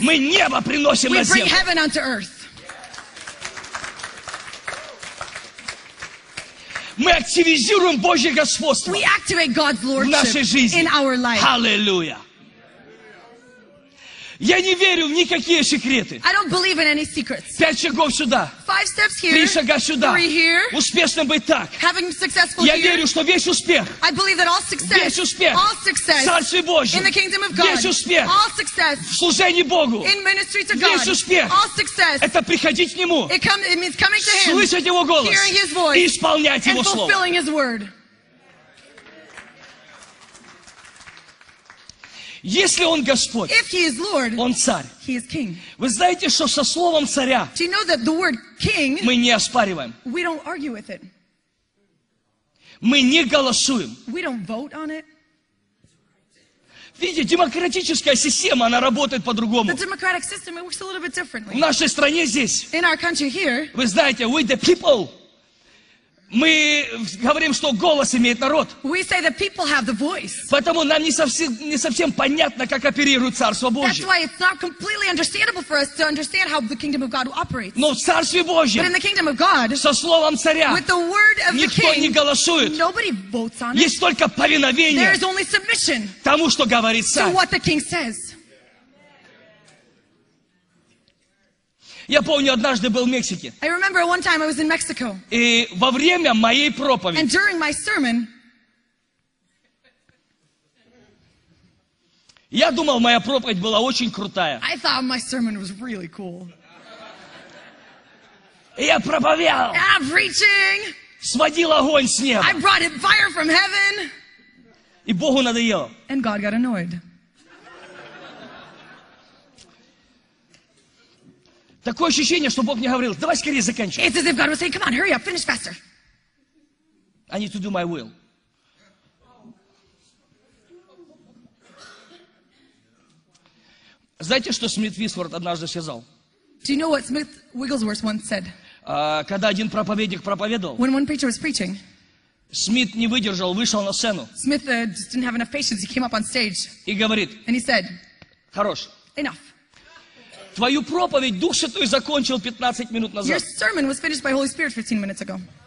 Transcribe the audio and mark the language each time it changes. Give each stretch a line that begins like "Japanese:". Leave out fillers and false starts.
Russian: мы небо приносим на землю. Мы активизируем Божье господство в нашей жизни. Аллилуйя! Я не верю в никакие секреты.
English: I don't believe in any secrets.
Russian: Пять шагов сюда.
English: Five steps here.
Russian: Три шага сюда.
English: Three here.
Russian: Успешно быть так.
English: Having successful
Russian: Я
English: here.
Russian: Верю, что весь успех.
English: I believe that all success.
Russian: Весь успех.
English: All success.
Russian: В Царстве Божьем.
English: In the kingdom of God.
Russian: Весь успех.
English: All success.
Russian: В служении Богу.
English: In ministry to God.
Russian: Весь успех.
English: All success.
Russian: Это приходить к Нему.
English: It means coming to Him.
Russian: Слышать Его голос.
English: Hearing His voice.
Russian: И исполнять Его слово.
English: And fulfilling His word.
Russian: Если Он Господь,
English: if he is Lord,
Russian: Он Царь,
English: he is king.
Russian: Вы знаете, что со словом Царя
English: do you know that the word king,
Russian: мы не оспариваем.
English: We don't argue with it.
Russian: Мы не голосуем.
English: We don't vote on it.
Russian: Видите, демократическая система, она работает по-другому.
English: The democratic system, it works a little bit differently.
Russian: В нашей стране здесь,
English: in our country here,
Russian: вы знаете,
English: we the people,
Russian: мы говорим, что голос имеет народ.
English: We say that people have the voice.
Russian: Поэтому нам не совсем понятно, как оперирует Царство Божье.
English: That's why it's not completely understandable for us to understand how the kingdom of God operates.
Russian: Но в Царстве Божьем,
English: but in the kingdom of God,
Russian: со словом Царя,
English: with the word of
Russian: никто
English: the king,
Russian: не голосует.
English: Nobody votes on it.
Russian: Есть только повиновение
English: there is only submission
Russian: тому, что говорит Царь.
English: To what the king says.
Russian: Я помню, однажды был в Мексике.
English: I remember one time I was in Mexico.
Russian: И во время моей проповеди.
English: And during my sermon.
Russian: Я думал, моя проповедь была очень крутая.
English: I thought my sermon was really cool.
Russian: И я проповедовал.
English: And I'm preaching.
Russian: Сводил огонь с неба.
English: I brought it fire from heaven.
Russian: И Богу надоело.
English: And God got annoyed.
Russian: Такое ощущение, что Бог мне говорил, давай скорее заканчивай.
English: It's as if God was saying, come on, hurry up, finish faster. I need to do my will.
Russian: Знаете, что Смит Висворт однажды сказал?
English: Do you know what Smith Wigglesworth once said?
Russian: Когда один проповедник проповедовал,
English: when one preacher was preaching,
Russian: Смит не выдержал, вышел на сцену.
English: Smith just didn't have enough patience, he came up on stage.
Russian: И говорит,
English: and he said,
Russian: хорош.
English: Enough.
Russian: Твою проповедь Дух Святой закончил 15 минут назад.
English: Your sermon was finished by Holy Spirit 15 minutes ago.